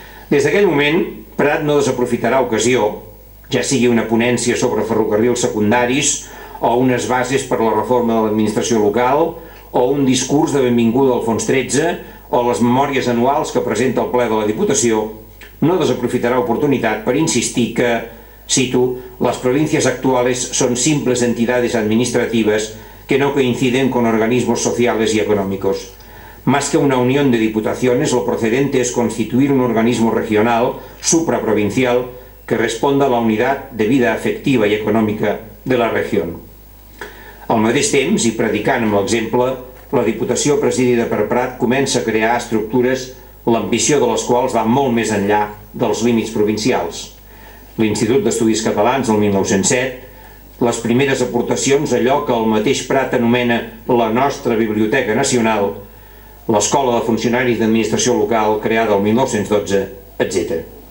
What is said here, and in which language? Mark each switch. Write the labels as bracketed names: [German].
[Catalan] Des d'aquell moment, Prat no desaprofitarà ocasió, ja sigui una ponència sobre ferrocarrils secundaris o unes bases per a la reforma de l'administració local o un discurs de benvinguda al Fons 13 o les memòries anuals que presenta el ple de la Diputació, no desaprofitarà oportunitat per insistir que, cito, les províncies [Spanish] actuales són simples entidades administratives que no coinciden con organismos sociales y económicos. Más que una unión de diputaciones, lo procedente es constituir un organismo regional, supraprovincial, que responda a la unidad de vida afectiva y económica de la región. [Catalan] Al mateix temps, i predicant amb l'exemple, la Diputació presidida per Prat comença a crear estructures l'ambició de les quals va molt més enllà dels límits provincials. L'Institut d'Estudis Catalans, el 1907, les primeres aportacions a allò que el mateix Prat anomena la nostra Biblioteca Nacional, l'Escola de Funcionaris d'Administració Local, creada el 1912, etc.